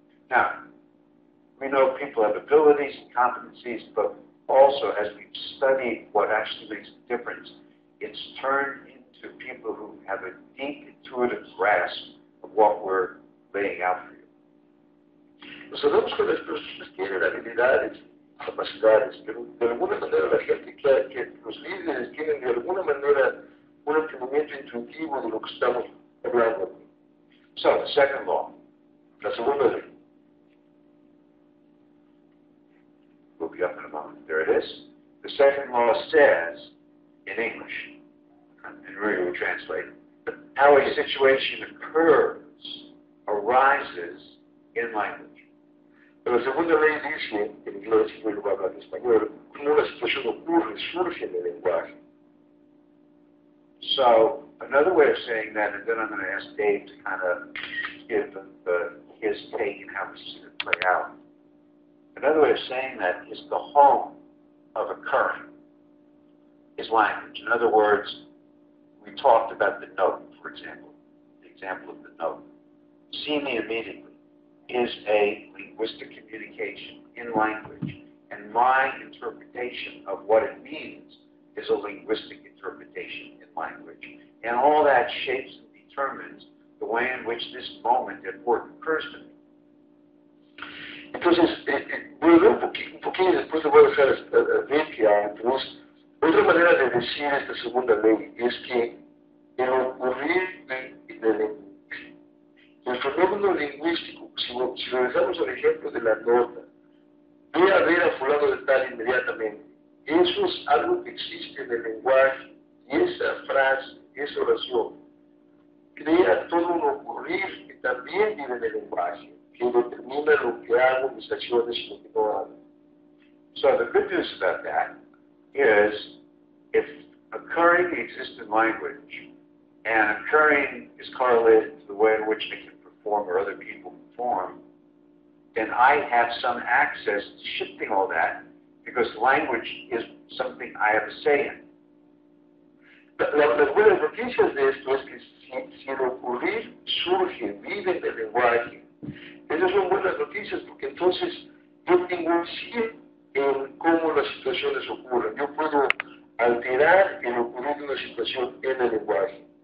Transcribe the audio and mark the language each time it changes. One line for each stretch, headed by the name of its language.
English: Now, we know people have abilities and competencies, but also as we've studied what actually makes a difference, it's turned into people who have a deep intuitive grasp of what we're laying out for you.
Spanish: Sabemos que las personas tienen habilidades, capacidades, pero de alguna manera la gente que los líderes tienen de alguna manera un entendimiento intuitivo de lo que estamos hablando.
English: So, the second law.
Spanish: La segunda ley.
English: We'll be up in a moment. There it is. The second law says, in English, and we will translate, how a situation occurs, arises in language.
Spanish: La segunda ley dice, en inglés, y luego habla en español, cómo la situación ocurre, surge en el lenguaje.
English: So, another way of saying that, and then I'm going to ask Dave to kind of give his take and how this is going to play out. Another way of saying that is the home of occurring is language. In other words, we talked about the note, for example. The example of the note. See me immediately is a linguistic communication in language. And my interpretation of what it means is a linguistic interpretation in language. And all that shapes and determines the way in which this moment at work occurs to me.
Spanish: Entonces, un poquito después le voy a dejar a Vicky, entonces, otra manera de decir esta segunda ley es que el ocurrir en el fenómeno lingüístico, si lo dejamos al ejemplo de la nota, voy a ver a fulano de tal inmediatamente. Eso es algo que existe en el lenguaje, y esa frase, esa oración, crea todo un ocurrir que también viene en el lenguaje, que determina lo que hago, mis acciones, lo que no hago.
English: So the good news about that is if occurring exists in language and occurring is correlated to the way in which I can perform or other people perform, then I have some access to shifting all that because language is something I have a say in.
Spanish: La buena noticia de esto es que si el ocurrir surgen, viven del lenguaje. Esas son buenas noticias porque entonces yo tengo un sí en cómo las situaciones ocurren. Yo puedo alterar el ocurrir de una situación en el lenguaje.